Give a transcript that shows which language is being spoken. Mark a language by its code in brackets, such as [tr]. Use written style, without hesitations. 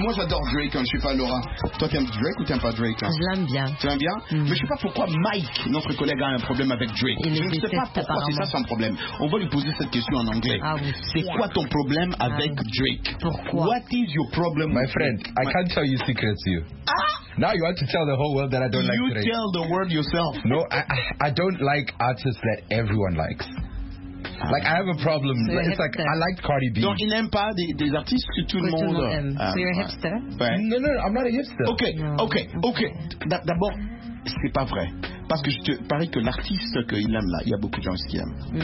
[fr] Moi j'adore Drake, hein, je suis pas Laura. Toi t'aimes Drake ou t'aimes pas Drake hein? Je l'aime bien. Tu l'aimes bien mm-hmm. Mais je sais pas pourquoi Mike, notre collègue, a un problème avec Drake. Il je ne sais pas pourquoi c'est ça son problème. On va lui poser cette question en anglais. Ah, oui. C'est quoi ton problème avec Drake? Pourquoi? [en] What is your problem? My friend, I can't tell you secrets to you. Ah? Now you have to tell the whole world that I don't you like Drake. You tell the world yourself. No, I don't like artists that everyone likes. Like, I have a problem. It's like, I like Cardi B. [fr] Donc, il n'aime pas des artistes que tout le monde... [en] So, you're a hipster? Right. No, I'm not a hipster. Okay, no. [fr] Okay. D'abord, c'est pas vrai. Parce que je te parie que l'artiste qu'il aime là, il y a beaucoup de gens qui aiment.